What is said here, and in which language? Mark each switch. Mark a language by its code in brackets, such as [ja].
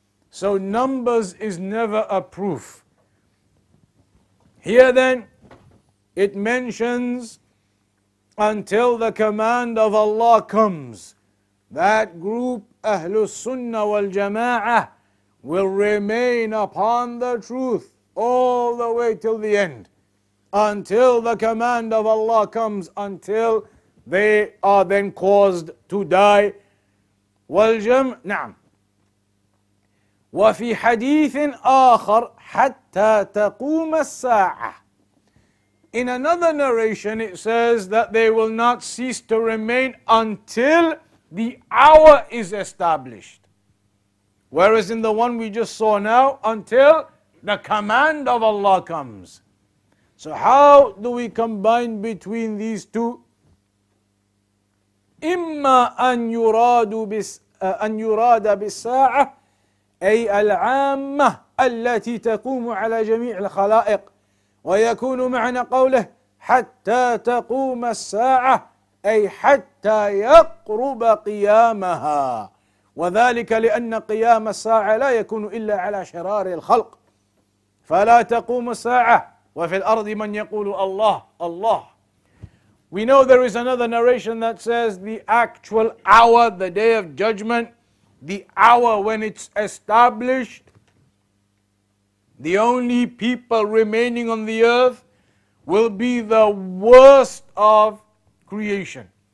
[en] So numbers is never a proof. Here then, it mentions until the command of Allah comes, that group, Ahlus Sunnah wal Jama'ah, will remain upon the truth all the way till the end. Until the command of Allah comes, until they are then caused to die. Waljam, na'am. [ar] وفي حديث آخر حتى تقوم الساعة. [en] In another narration it says that they will not cease to remain until the hour is established. Whereas in the one we just saw now, until the command of Allah comes. So how do we combine between these two? [ar] إما أن يراد بالساعة أي العامة التي تقوم على جميع الخلائق ويكون معنى قوله حتى تقوم الساعة أي حتى يقرب قيامها وذلك لأن قيام الساعة لا يكون إلا على شرار الخلق فلا تقوم الساعة وفي الأرض من يقول الله الله. [en] We know there is another narration that says the actual hour, the day of judgment, the hour when it's established, the only people remaining on the earth will be the worst of creation.